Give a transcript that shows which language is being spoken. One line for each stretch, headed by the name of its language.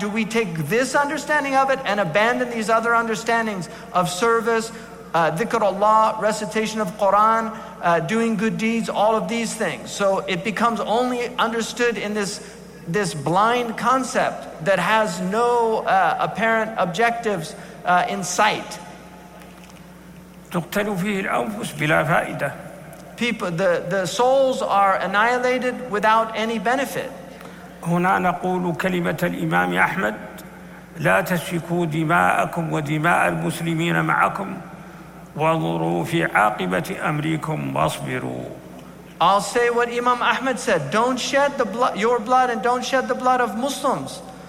English: Do we take this understanding of it and abandon these other understandings of service, dhikr Allah, recitation of Quran, doing good deeds, all of these things? So it becomes only understood in this blind concept that has no apparent objectives in sight.
Arabic: تقتل فيه الأنفس بلا فائدة.
English: People, the souls are annihilated without any benefit.
Arabic: هنا نقول كلمة الإمام أحمد لا تسفكوا دماءكم ودماء المسلمين معكم وانظروا في عاقبة أمركم واصبروا.
English: I'll say what Imam Ahmed said, don't shed the blood, your blood, and don't shed the blood of Muslims.